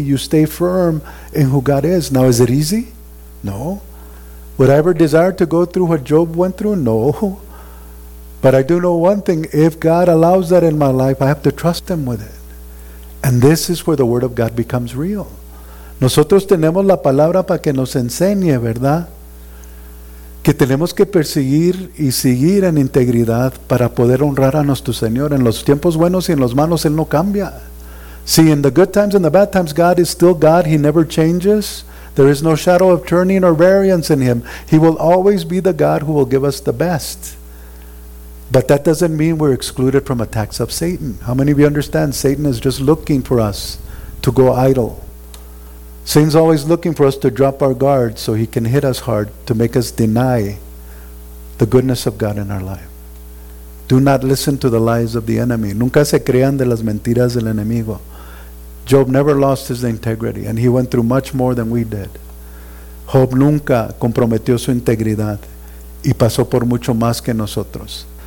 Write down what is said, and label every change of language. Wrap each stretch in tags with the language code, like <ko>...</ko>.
<en>You stay firm in who God is. Now, is it easy? No. Would I ever desire to go through what Job went through? No. But I do know one thing. If God allows that in my life, I have to trust him with it. And this is where the word of God becomes real.</en> <es>Nosotros tenemos la palabra para que nos enseñe, ¿verdad? Que tenemos que perseguir y seguir en integridad para poder honrar a nuestro Señor. En los tiempos buenos y en los malos, Él no cambia.</es> <en>See, in the good times and the bad times, God is still God. He never changes. There is no shadow of turning or variance in Him. He will always be the God who will give us the best. But that doesn't mean we're excluded from attacks of Satan. How many of you understand? Satan is just looking for us to go idle. Satan's always looking for us to drop our guard so he can hit us hard to make us deny the goodness of God in our life. Do not listen to the lies of the enemy.</en> <es>Nunca se crean de las mentiras del enemigo.</es> <en>Job never lost his integrity, and he went through much more than we did.</en> <es>Job nunca comprometió su integridad y pasó por mucho más que nosotros.</es>